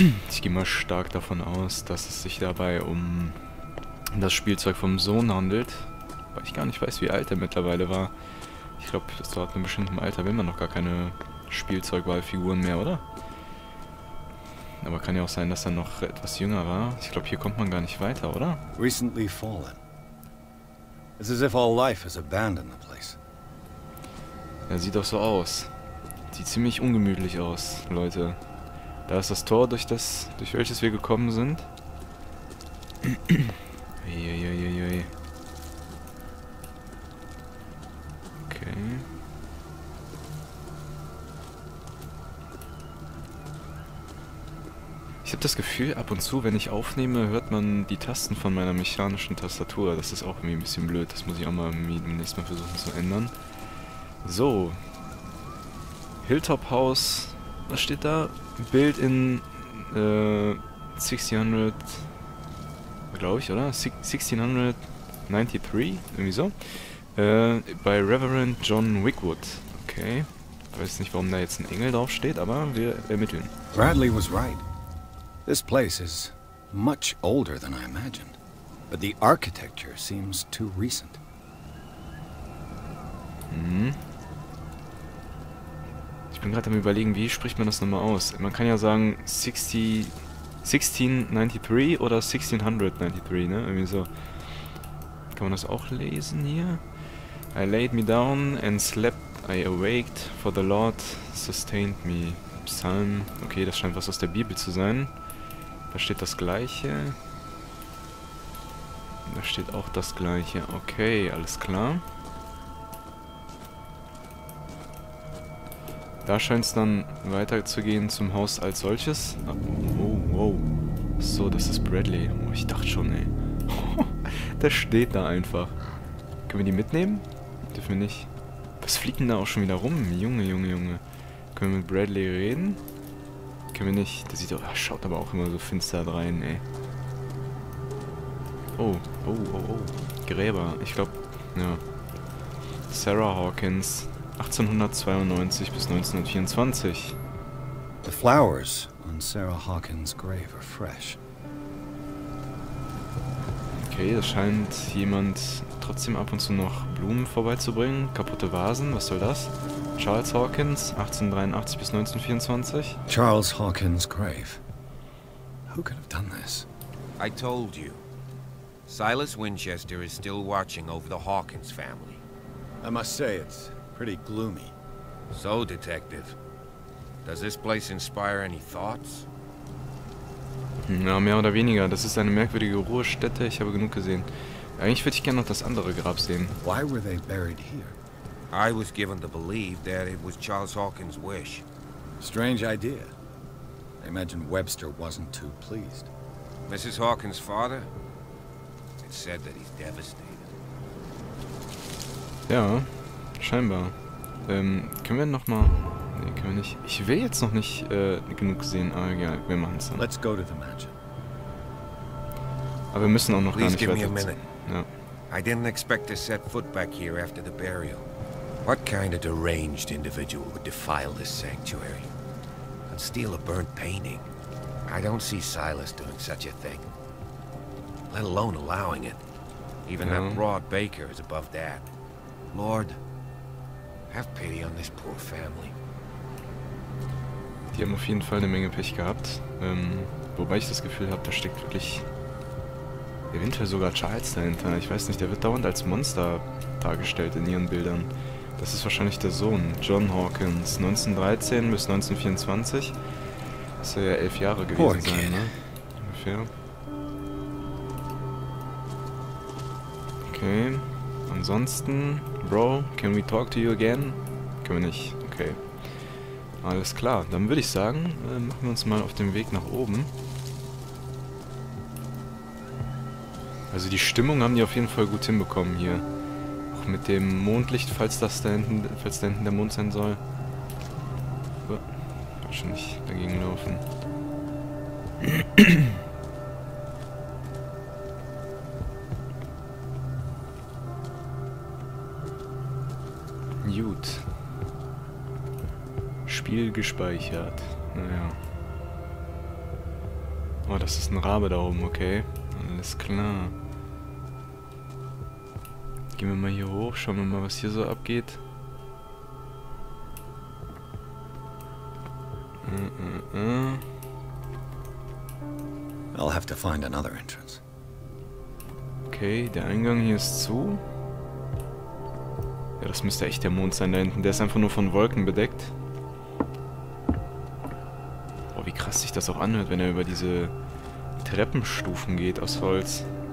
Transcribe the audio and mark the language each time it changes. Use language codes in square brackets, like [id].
[de] Ich gehe mal stark davon aus, dass es sich dabei um das Spielzeug vom Sohn handelt. Weil ich gar nicht weiß, wie alt er mittlerweile war. Ich glaube, das war ab einem bestimmten Alter, wenn man noch gar keine Spielzeugwahlfiguren mehr, oder? Aber kann ja auch sein, dass er noch etwas jünger war. Ich glaube, hier kommt man gar nicht weiter, oder? [en] Recently fallen. It's as if all life has abandoned the place. [de] Ja, sieht doch so aus. Sieht ziemlich ungemütlich aus, Leute. Da ist das Tor, durch welches wir gekommen sind. Eieieiei. Okay. Ich habe das Gefühl, ab und zu, wenn ich aufnehme, hört man die Tasten von meiner mechanischen Tastatur. Das ist auch irgendwie ein bisschen blöd. Das muss ich auch mal demnächst mal versuchen zu ändern. So. Hilltop House. Was steht da? [en] Built in 1600, [de] glaube ich, oder? 1693, irgendwie so. Bei Reverend John Wickwood. Okay. Ich weiß nicht, warum da jetzt ein Engel drauf steht, aber wir ermitteln. [en] Bradley was right. This place is much older than I imagined. But the architecture seems too recent. [de] Ich bin gerade am überlegen, wie spricht man das nochmal aus? Man kann ja sagen 1693 oder 1693, ne? Irgendwie so. Kann man das auch lesen hier? [en] I laid me down and slept, I awaked, for the Lord sustained me. Psalm. [de] Okay, das scheint was aus der Bibel zu sein. Da steht das Gleiche. Da steht auch das Gleiche. Okay, alles klar. Da scheint es dann weiterzugehen zum Haus als solches. Oh, wow. So, das ist Bradley. Oh, ich dachte schon, ey. Der steht da einfach. Können wir die mitnehmen? Dürfen wir nicht. Was fliegt denn da auch schon wieder rum? Junge, Junge, Junge. Können wir mit Bradley reden? Können wir nicht. Der sieht doch. Er schaut aber auch immer so finster rein, ey. Oh, oh, oh, oh. Gräber. Ich glaube, ja. Sarah Hawkins. 1892 bis 1924. [en] The flowers on Sarah Hawkins' grave are fresh. [de] Okay, da scheint jemand trotzdem ab und zu noch Blumen vorbeizubringen. Kaputte Vasen, was soll das? Charles Hawkins, 1883 bis 1924. [en] Charles Hawkins' grave. Who could have done this? I told you. Silas Winchester is still watching over the Hawkins family. I must say it's pretty gloomy. So, Detective, does this place inspire any thoughts? [de] Ja, mehr oder weniger. Das ist eine merkwürdige Ruhestätte. Ich habe genug gesehen. Eigentlich würde ich gerne noch das andere Grab sehen. [en] Why were they buried here? I was given to believe that it was Charles Hawkins' wish. Strange idea. I imagine Webster wasn't too pleased. Mrs. Hawkins' father? It's said that he's devastated. [de] Ja. Scheinbar. Können wir nochmal. Nee, können wir nicht. Ich will jetzt noch nicht genug sehen, aber egal, wir machen es dann. [en] Let's go to the mansion. [de] Aber wir müssen auch noch [en] Please [de] gar nicht [en] give [de] weiter. [en] Me a minute. [de] Ja. [en] I didn't expect to set foot back here after the burial. What kind of deranged individual would defile this sanctuary and steal a burnt painting? I don't see Silas doing such a thing. Let alone allowing it. Even that broad baker is above that. Lord, have pity on this poor family. [de] Die haben auf jeden Fall eine Menge Pech gehabt. Wobei ich das Gefühl habe, da steckt wirklich eventuell sogar Charles dahinter. Ich weiß nicht, der wird dauernd als Monster dargestellt in ihren Bildern. Das ist wahrscheinlich der Sohn, John Hawkins, 1913 bis 1924. Das soll ja 11 Jahre gewesen sein, ne? Ungefähr. Okay. Ansonsten, [en] Bro, can we talk to you again? [de] Können wir nicht. Okay. Alles klar, dann würde ich sagen, machen wir uns mal auf den Weg nach oben. Also die Stimmung haben die auf jeden Fall gut hinbekommen hier. Auch mit dem Mondlicht, falls da hinten der Mond sein soll. Wahrscheinlich dagegen laufen. Gut. Spiel gespeichert. Naja. Oh, das ist ein Rabe da oben, okay. Alles klar. Gehen wir mal hier hoch, schauen wir mal, was hier so abgeht. [en] I'll have to find another entrance. [de] Okay, der Eingang hier ist zu. Ja, das müsste echt der Mond sein da hinten. Der ist einfach nur von Wolken bedeckt. Boah, wie krass sich das auch anhört, wenn er über diese Treppenstufen geht aus Holz.